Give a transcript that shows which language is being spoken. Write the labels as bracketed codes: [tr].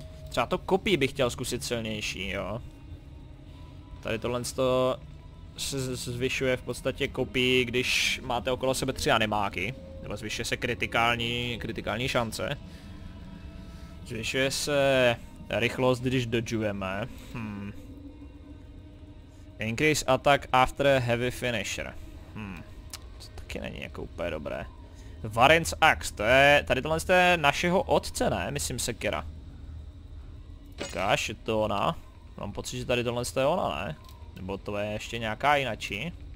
[cs] Třeba to kopí bych chtěl zkusit silnější, jo. Tady tohle to se zvyšuje v podstatě kopí, když máte okolo sebe tři animáky. Nebo zvyšuje se kritikální šance. Zvyšuje se rychlost, když dodžujeme. [en] Increase attack after heavy finisher. [cs] To taky není jako úplně dobré. Varin's Axe, to je, tady tohle je našeho otce, ne? Myslím sekera. Kaš, je to ona? Mám pocit, že tady tohle je ona, ne? Nebo to je ještě nějaká jinačí?